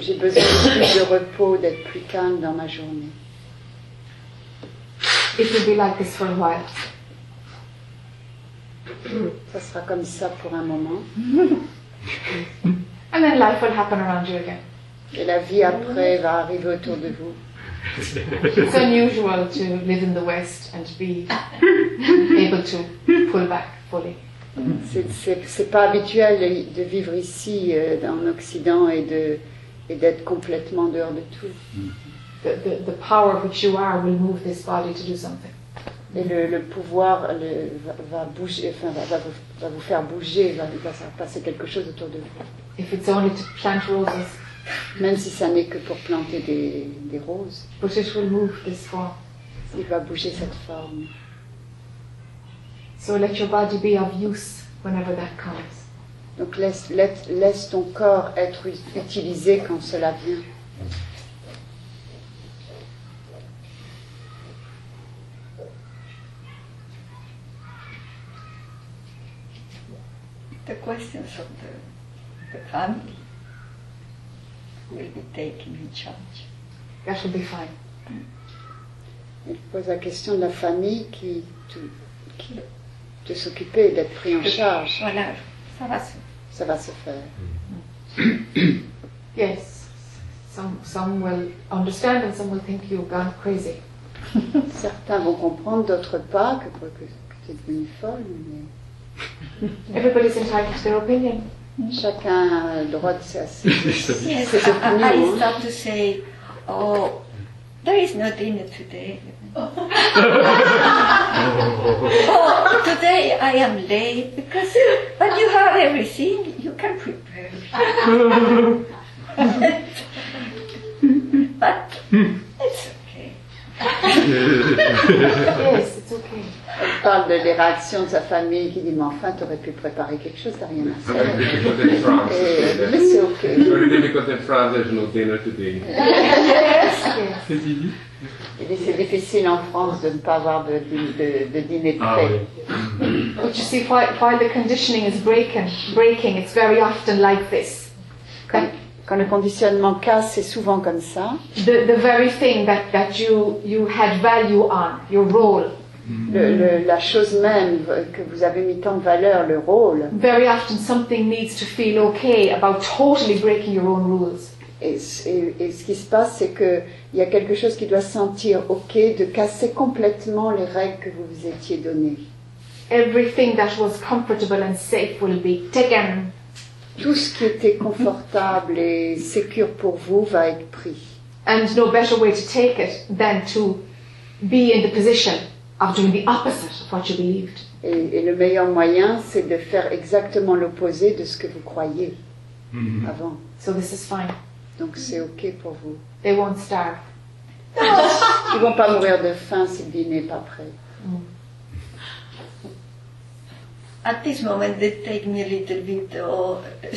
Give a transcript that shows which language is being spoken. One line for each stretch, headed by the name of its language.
French: J'ai besoin de plus de repos, d'être plus calme dans ma journée.
English: It will be like this for a while.
French: Ça sera comme ça pour un moment.
English: And then life will happen around you again.
French: Et la vie après va arriver autour de vous.
English: It's unusual to live in the West and be able to pull back fully.
French: C'est pas habituel de vivre ici en Occident et d'être complètement dehors de tout.
English: The power which you are will move this body to do something.
French: Et le pouvoir va vous faire bouger, va passer quelque chose autour de vous.
English: If it's only to plant roses.
French: Même si ça n'est que pour planter des roses.
English: But it will move this form.
French: Il va bouger cette forme.
English: So let your body be of use whenever that comes.
French: Donc laisse ton corps être utilisé quand cela vient.
English: The questions of the family will be taken in charge. That will be fine.
French: Il pose la question de la famille qui de s'occuper, d'être pris en charge. Voilà, ça va se faire.
English: Yes, some will understand and some will think you've gone crazy.
French: Certains vont comprendre, d'autres pas, que tu es devenu folle. Mais...
English: Everybody's entitled to their opinion.
French: Chacun a le droit de ses opinions.
English: Yes,
French: ses opinions.
English: I start to say, oh, there is no dinner today. Oh, today I am late because, but you have everything, you can prepare. But it's okay. Yes, it's okay.
French: Elle parle de les réactions de sa famille qui dit mais enfin t'aurais pu préparer quelque chose, t'as rien à faire.
English: Very difficult in France.
French: Mais c'est okay.
English: Very difficult in France, there's no dinner today. Yes.
French: C'est fini. Il dit c'est difficile en France de ne pas avoir de dîner de paix. Ah, oui.
English: But you see, while the conditioning is breaking, it's very often like this.
French: Quand le conditionnement casse, c'est souvent comme ça.
English: The very thing that you had value on, your role.
French: La chose même que vous avez mis tant de valeur, le rôle.
English: Very often something needs to feel okay about totally breaking your own rules.
French: Et ce qui se passe, c'est qu'il y a quelque chose qui doit sentir ok de casser complètement les règles que vous vous étiez données.
English: Everything that was comfortable and safe will be taken.
French: Tout ce qui était confortable et sécure pour vous va être pris.
English: And no better way to take it than to be in the position of doing the opposite of what you believed.
French: Et le meilleur moyen, c'est de faire exactement l'opposé de ce que vous croyiez avant.
English: So this is fine.
French: Donc c'est ok pour vous.
English: They won't starve.
French: Ils vont pas mourir de faim si le dîner n'est pas prêt.
English: At this moment, they take me a little bit.